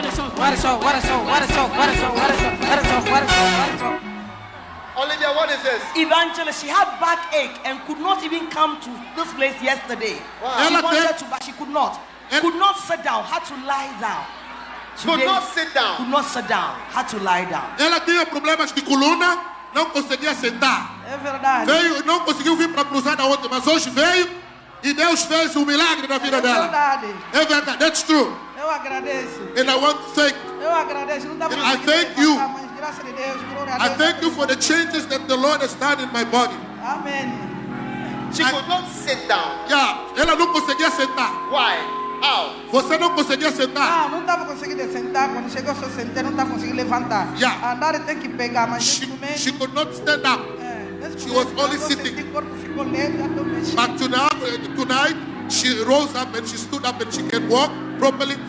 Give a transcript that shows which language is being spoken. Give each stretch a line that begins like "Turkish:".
English: What a song, what a song, what a song, what a song, what a song, what a song, what a song, what a song. Olivia, what is this? Evangelist, she had backache and could not even come to this place yesterday. Wow. She wanted to, but she could not. Could not sit down, had to lie down. Today, could not sit down. Could not sit down. Had to lie down.
Portuguese: Ela tinha problemas de coluna, não conseguia sentar. É verdade. Veio, não conseguiu vir para cruzar na outra, mas hoje veio e Deus fez um milagre na vida dela. É verdade. Dela. É verdade.
English: That's true.
Portuguese: Eu agradeço.
English: And I want to thank.
Portuguese: Eu agradeço. Não dá para.
English: I thank you.
Portuguese: Mas graças a Deus, glória a Deus.
English: I thank you for the changes that the Lord has done in my body. Amen. She could not sit down.
Portuguese: Yeah. Ela não conseguia sentar.
English: Why?
Portuguese: Você não conseguia sentar. Ah, não estava conseguindo sentar. Quando chegou, só sentei, não estava conseguindo levantar.
English: Yeah.
Portuguese: Andar tem que pegar, mas
English: she,
Portuguese: momento,
English: she could not stand up. She was only sitting. But tonight, she rose up and she stood up and she can walk properly.